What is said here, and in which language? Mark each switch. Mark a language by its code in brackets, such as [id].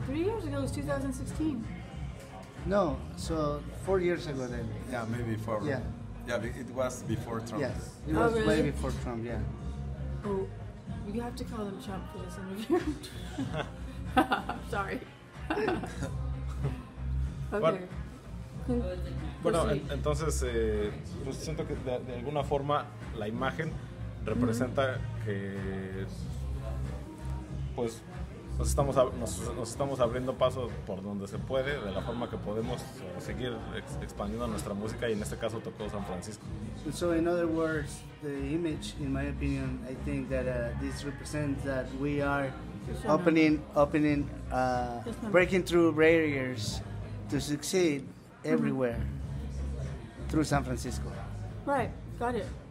[en] 3 years ago, it was 2016. No, so 4 years ago then. Yeah, maybe 4. Yeah. Yeah, it was before Trump. Yes, it was way before Trump, yeah. Oh. You have to call them Trump for this interview. Sorry. Okay. [es] Bueno, entonces, pues siento que de alguna forma la imagen representa que, pues, nos estamos abriendo paso por donde se puede, de la forma que podemos seguir expandiendo nuestra música, y en este caso tocó San Francisco. [en] So in other words, the image, in my opinion, I think that this represents that we are opening, breaking through barriers to succeed everywhere through San Francisco. Right, got it.